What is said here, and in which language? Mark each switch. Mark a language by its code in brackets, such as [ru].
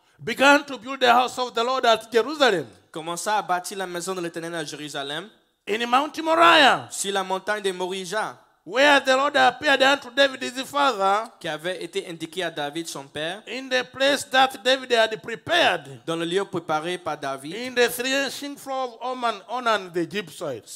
[en] Began to build the house of the Lord at Jerusalem. [fr] Commença à bâtir la maison de l'Éternel à Jérusalem. [en] In Mount Moriah. [fr] Sur la montagne de Morijah. [en] Where the Lord appeared unto David his father. [fr] Qui avait été indiqué à David son père. [en] In the place that David had prepared. [fr] Dans le lieu préparé par David. [en] In the threshing floor of Onan the Jebusite.